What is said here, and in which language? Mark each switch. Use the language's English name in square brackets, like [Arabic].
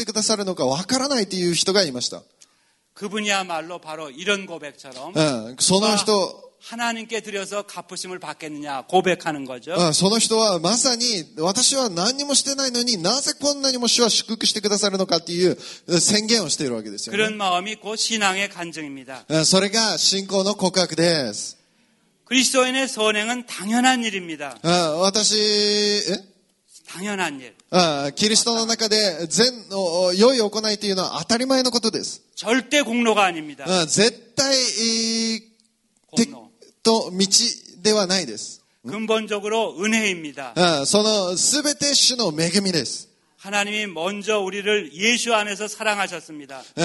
[Japanese] ある生徒さんが私はあんまりいいことしてないのになぜこんなにも主が物質的に祝福してくださるのかわからないという人がいました。 [Korean] 그분이야말로 바로 이런 고백처럼 하나님께 드려서 갚으심을 받겠느냐 고백하는 거죠. [Japanese] その人はまさに私は何もしてないのになぜこんなにも主は祝福してくださるのかっていう宣言をしているわけですよ。 [Korean] 그런 마음이 곧 신앙의 간증입니다. [Japanese] それが信仰の告白です。 [Korean] 그리스도인의 선행은 당연한 일입니다. 당연한 일. [Japanese] キリストの中で善の良い行いというのは当たり前のことです。 [Korean] 절대 공로가 아닙니다. [Japanese] 絶対공로 と道ではないです。 [Korean] 근본적으로 은혜입니다. [Japanese] その全て主の恵みです。 [Korean] 하나님이 먼저 우리를 예수 안에서 사랑하셨습니다.